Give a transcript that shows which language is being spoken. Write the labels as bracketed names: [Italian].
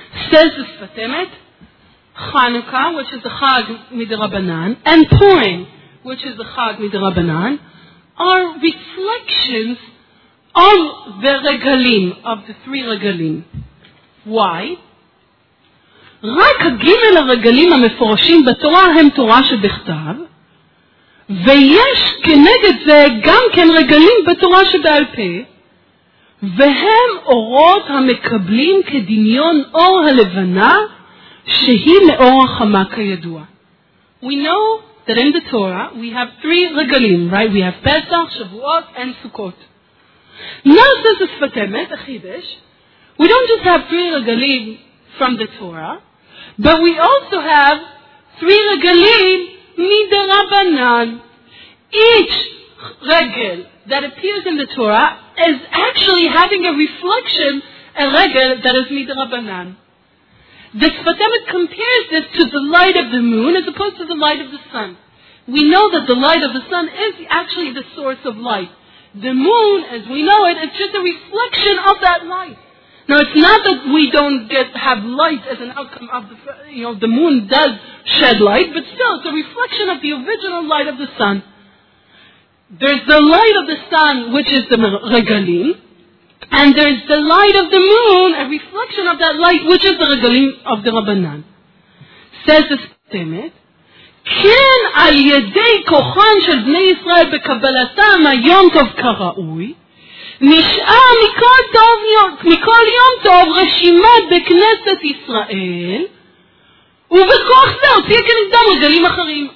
[English] Says the Sfatemet, Chanukah, which is the Chag Midrabanan, and Purim, which is the Chag Midrabanan, are reflections of the regalim, of the three regalim. Why? [Hebrew] רק הגימל הרגלים המפורשים בתורה הם תורה שבכתב, ויש כנגד זה גם כן רגלים בתורה שבעל פה, והם אורות המקבלים כדמיון אור הלבנה שהיא לאור החמה כידוע. [English] We know that in the Torah we have three regalim, right? We have Pesach, Shavuot, and Sukkot. Now says the Sfatemet, the Chiddush, we don't just have three regalim from the Torah, but we also have three regalim midarabanan. Each regal that appears in the Torah is actually having a reflection, a regal that is midarabanan. The Sfatemet compares this to the light of the moon as opposed to the light of the sun. We know that the light of the sun is actually the source of light. The moon, as we know it, is just a reflection of that light. Now, it's not that we don't have light as an outcome of the, you know, the moon does shed light, but still, it's a reflection of the original light of the sun. There's the light of the sun, which is the regalim, and there's the light of the moon, a reflection of that light, which is the regalim of the Rabbanan. Says the Sfatemet, [Hebrew] כן על ידי כוחן של בני ישראל בקבלתם היום טוב כראוי, נשאר מכל טוב, מכל יום טוב רשימת בכנסת ישראל, ובכוח זה הוציא כנגדם רגלים אחרים.